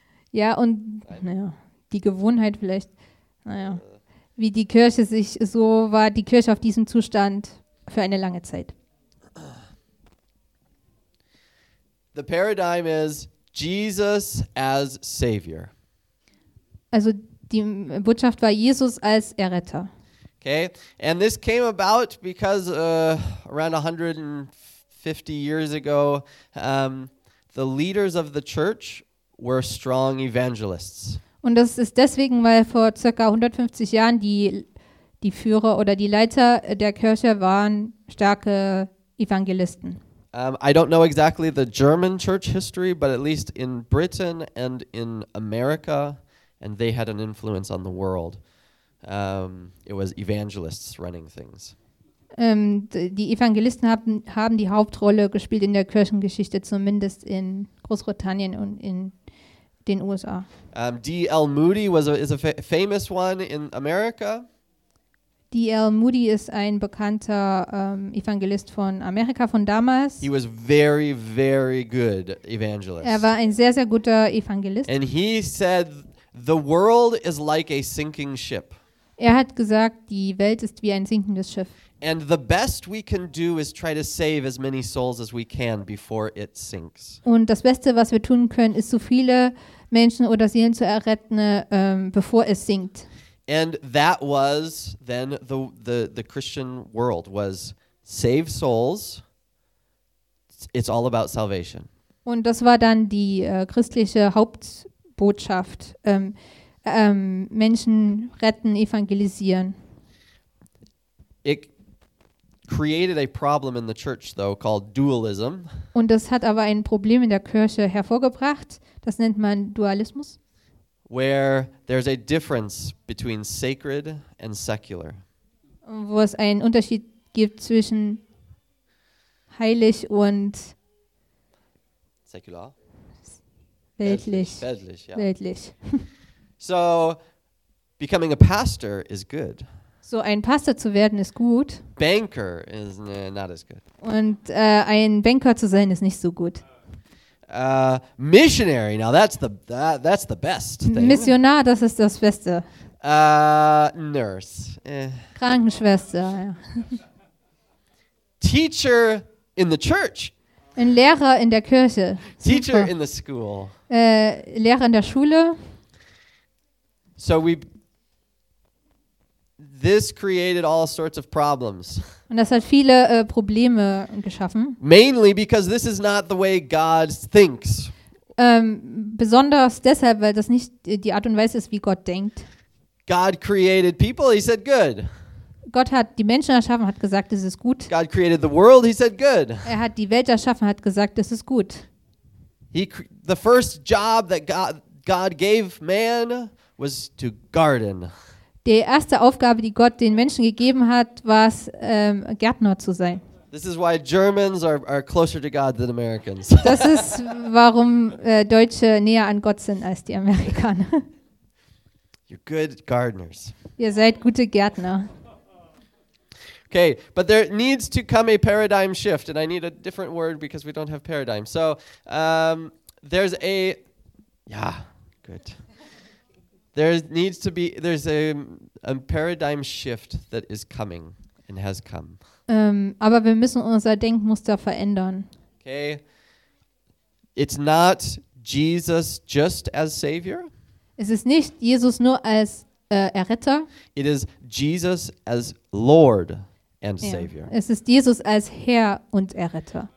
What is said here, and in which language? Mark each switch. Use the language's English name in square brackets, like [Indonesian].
[German] Ja, und naja, die Gewohnheit vielleicht, naja, wie die Kirche sich, so war die Kirche auf diesem Zustand für eine lange Zeit. [English] The paradigm is Jesus as Savior. [German] Also die Botschaft war Jesus als Erretter. [English] Okay, and this came about because around 150 years ago, the leaders of the church were strong evangelists. [German] Und das ist deswegen, weil vor circa 150 Jahren die Führer oder die Leiter der Kirche waren starke Evangelisten. [English] I don't know exactly the German church history, but at least in Britain and in America, and they had an influence on the world. It was evangelists running things. [German] Die Evangelisten haben die Hauptrolle gespielt in der Kirchengeschichte, zumindest in Großbritannien und in den USA. [English] D.L. Moody is a famous one in America. [German] D.L. Moody ist ein bekannter Evangelist von Amerika von damals. [English] He was very, very good evangelist. [German] Er war ein sehr, sehr guter Evangelist. [English] And he said, the world is like a sinking ship. [German] Er hat gesagt, die Welt ist wie ein sinkendes Schiff. [English] And the best we can do is try to save as many souls as we can before it sinks. [German] Und das Beste, was wir tun können, ist, so viele Menschen oder Seelen zu erretten, bevor es sinkt. [English] And that was then the Christian world was save souls. It's all about salvation. [German] Und das war dann die christliche Hauptbotschaft: Menschen retten, evangelisieren. [English] Created a problem in the church though called dualism. [German] Und das hat aber ein Problem in der Kirche hervorgebracht, das nennt man Dualismus. [English] Where there's a difference between sacred and secular. [German] Wo es einen Unterschied gibt zwischen heilig und säkular. Weltlich. Ja. Weltlich. [English] So becoming a pastor is good. [German] So ein Pastor zu werden ist gut. [English] Banker is not as good. [German] Und ein Banker zu sein ist nicht so gut. [English] Missionary, now that's the best thing. [German] Missionar, das ist das Beste. [English] Nurse. [German] Krankenschwester, ja. [English] Teacher in the church. [German] Ein Lehrer in der Kirche. [English] Teacher in the school. [German] Lehrer in der Schule. [English] So we... This created all sorts of problems. [German] Und das hat viele Probleme geschaffen. [English] Mainly because this is not the way God thinks. [German] Besonders deshalb, weil das nicht die Art und Weise ist, wie Gott denkt. [English] God created people, he said good. [German] Gott hat die Menschen erschaffen, hat gesagt, es ist gut. [English] God created the world, he said good. [German] Er hat die Welt erschaffen, hat gesagt, es ist gut. [English] The first job that God gave man was to garden. [German] Die erste Aufgabe, die Gott den Menschen gegeben hat, war es, Gärtner zu sein. [English] This is why Germans are closer to God than Americans. [German] Das ist, warum Deutsche näher an Gott sind als die Amerikaner. [English] You're good gardeners. [German] Ihr seid gute Gärtner. [English] Okay, but there needs to come a paradigm shift, and I need a different word because we don't have paradigm. So, there's a... Yeah, good. There's a paradigm shift that is coming and has come. [German] Aber wir müssen unser Denkmuster verändern. [English] Okay. It's not Jesus just as Savior. [German] Es ist nicht Jesus nur als Erretter. [English] It is Jesus as Lord and Savior. [German] Es ist Jesus als Herr und Erretter.